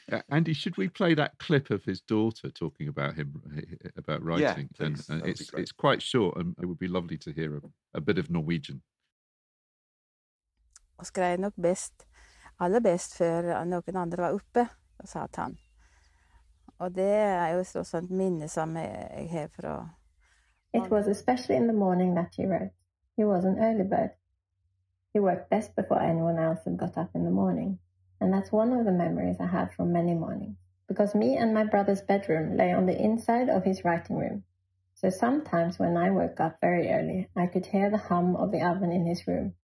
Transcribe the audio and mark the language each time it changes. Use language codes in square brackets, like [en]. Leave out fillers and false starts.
[en] Andy, should we play that clip of his daughter talking about him, about writing? Yeah, please. And it's quite short, and it would be lovely to hear a bit of Norwegian. [no] Og skrev nok best, aller best, før noen andre var oppe, sa han. Og det jo også et minne som jeg har fra. [en] It was especially in the morning that he wrote. He was an early bird. He worked best before anyone else had got up in the morning. And that's one of the memories I have from many mornings. Because me and my brother's bedroom lay on the inside of his writing room. So sometimes when I woke up very early, I could hear the hum of the oven in his room.